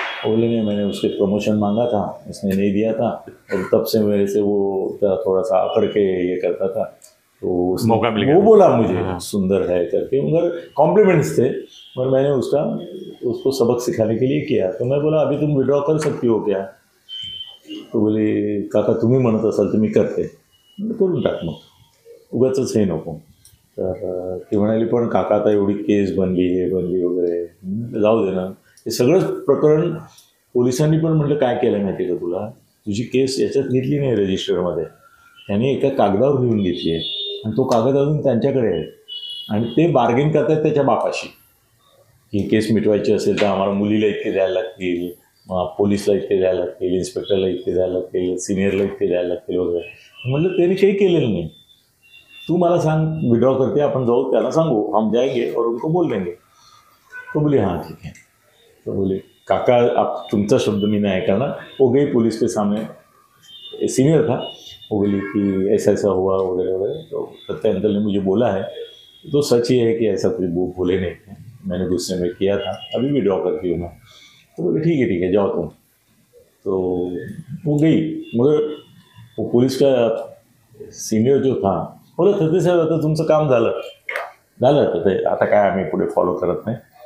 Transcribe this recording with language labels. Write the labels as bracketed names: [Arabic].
[Hindi] बोले नहीं मैंने उसके प्रमोशन मांगा था, इसने नहीं दिया था, और तब से मेरे से वो थोड़ा सा अकड़ के ये करता था, तो मौका मिल गया। वो बोला मुझे सुंदर है करके, मगर कॉम्प्लीमेंट्स थे, मगर मैंने उसका उसको सबक सिखाने के लिए किया। तो मैं बोला अभी तुम विड्रॉ कर सकती हो क्या? तो बोले [Marathi] काका तुम्ही म्हणत असाल तुम्ही करते, करून टाक मग उगाचंच हे नको। तर ती म्हणाली पण काका आता एवढी केस बनली, हे बनली वगैरे, जाऊ दे ना हे सगळंच प्रकरण। पोलिसांनी पण म्हटलं काय केलं माहिती का तुला, तुझी केस याच्यात घेतली नाही रजिस्टरमध्ये, त्यांनी एका कागदावर लिहून घेतली आहे आणि तो कागद अजून त्यांच्याकडे आहे आणि ते बार्गेन करतात त्याच्या बापाशी की केस मिटवायची असेल तर आम्हाला मुलीला इतके द्यायला लागतील, पोलीसला इतके द्यायला लागतील, इन्स्पेक्टरला इतके द्यायला लागतील, सिनियरला इतके द्यायला लागतील वगैरे। म्हटलं त्यांनी काही केलेलं नाही, तू मला सांग विड्रॉ करते आपण जाऊ त्यांना सांगू [Hindi] हम जाएंगे और उनको बोल देंगे। तो बोले हाँ ठीक है। तो बोले काका आप [Marathi] तुमचा शब्द मी नाही ऐकणार, [Hindi] वो गई पोलीस के सामने, सीनियर था, वो बोली कि ऐसा ऐसा हुआ वगैरह वगैरह, तो सत्यांतल ने मुझे बोला है तो सच ये है कि ऐसा कुछ वो बोले नहीं, मैंने गुस्से में किया था, अभी विड्रॉ करती हूँ मैं। तो बोले ठीक है जाओ तुम। तो वो गई, मगर वो पुलिस का सीनियर जो था बोला [Marathi] थते साहेब आता तुमचं काम झालं तथे, आता काय आम्ही पुढे फॉलो करत नाही।